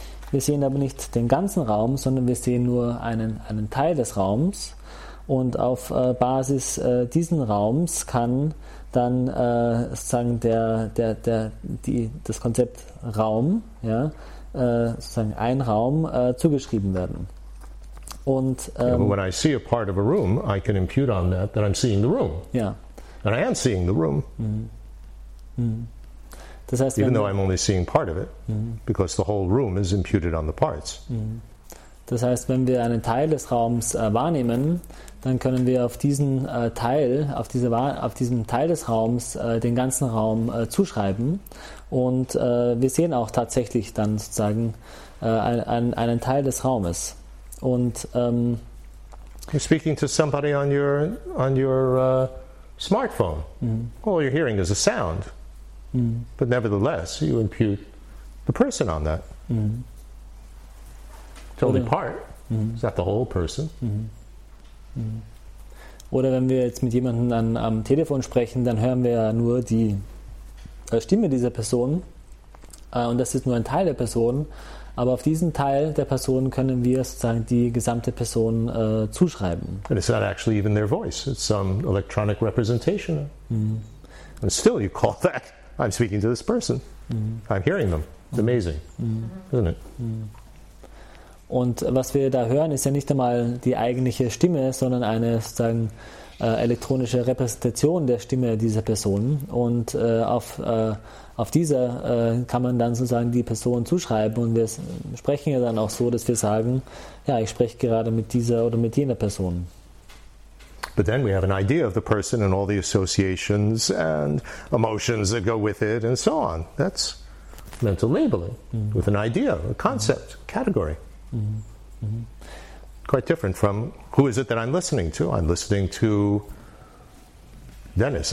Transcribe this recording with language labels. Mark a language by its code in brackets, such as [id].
[de] Wir sehen aber nicht den ganzen Raum, sondern wir sehen nur einen Teil des Raums. Und auf Basis diesen Raums kann dann sozusagen das Konzept Raum, ja, sozusagen ein Raum zugeschrieben werden. Und [en] when I see a part of a room, I can impute on that that I'm seeing the room. Yeah. And I am seeing the room. [de] Das heißt, [en] even though I'm only seeing part of it, because the whole room is imputed on the parts. [de] Das heißt, wenn wir einen Teil des Raums wahrnehmen, dann können wir auf diesen Teil, auf diesem Teil des Raums den ganzen Raum zuschreiben. Und wir sehen auch tatsächlich dann sozusagen einen Teil des Raumes. Und [en] you're speaking to somebody on your smartphone. All you're hearing is a sound. But nevertheless, you impute the person on that. Totally part. Is that the whole person? [de] Oder wenn wir jetzt mit jemandem am Telefon sprechen, dann hören wir nur die Stimme dieser Person. Und das ist nur ein Teil der Person. Aber auf diesen Teil der Person können wir sozusagen die gesamte Person zuschreiben. [en] And it's not actually even their voice. It's some electronic representation. Mm-hmm. And still you call that, I'm speaking to this person. Mm-hmm. I'm hearing them. It's amazing, mm-hmm. isn't it? Mm-hmm. [de] Und was wir da hören, ist ja nicht einmal die eigentliche Stimme, sondern eine sozusagen elektronische Repräsentation der Stimme dieser Person. Und auf dieser kann man dann sozusagen die Person zuschreiben. Und wir sprechen ja dann auch so, dass wir sagen, ja, ich spreche gerade mit dieser oder mit jener Person. [en] But then we have an idea of the person and all the associations and emotions that go with it and so on. That's mental labeling, mm-hmm. with an idea, a concept, mm-hmm. category. Mm-hmm. Quite different from who is it that I'm listening to? I'm listening to Dennis.